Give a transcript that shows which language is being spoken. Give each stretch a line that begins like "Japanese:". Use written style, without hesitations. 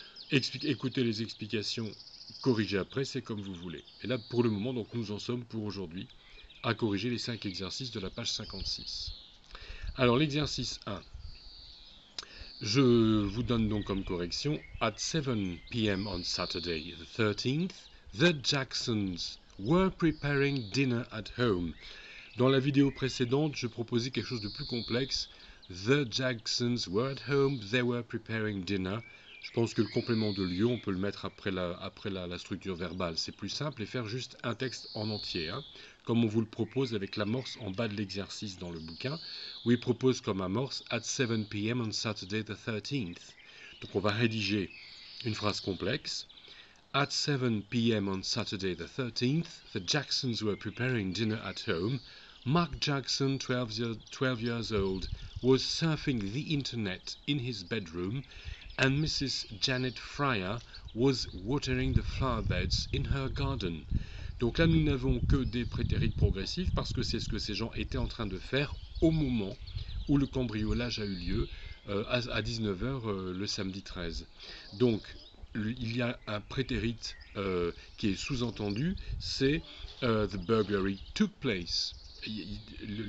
French: Écouter les explications, corriger après, c'est comme vous voulez. Et là, pour le moment, donc, nous en sommes pour aujourd'hui à corriger les 5 exercices de la page 56. Alors, l'exercice 1, je vous donne donc comme correction:
English: At 7 p.m. on Saturday the 13th, the Jacksons were preparing dinner at home.
French: Dans la vidéo précédente, je proposais quelque chose de plus complexe.
English: The Jacksons were at home, they were preparing dinner.
French: Je pense que le complément de lieu, on peut le mettre après la structure verbale. C'est plus simple et faire juste un texte en entier, hein, comme on vous le propose avec l'amorce en bas de l'exercice dans le bouquin, où il propose comme amorce «
English: At 7 p.m. on Saturday the 13th
French: ». Donc on va rédiger une phrase complexe.
English: At 7 p.m. on Saturday the 13th, the Jacksons were preparing dinner at home. Mark Jackson, 12 years old, was surfing the internet in his bedroom, and Mrs. Janet Fryer was watering the flower beds in her garden.
French: Donc là, nous n'avons que des prétérites progressifs parce que c'est ce que ces gens étaient en train de faire au moment où le cambriolage a eu lieu à 19h le samedi 13. Donc, il y a un prétérite qui est sous-entendu, c'est «
English: the burglary took place ».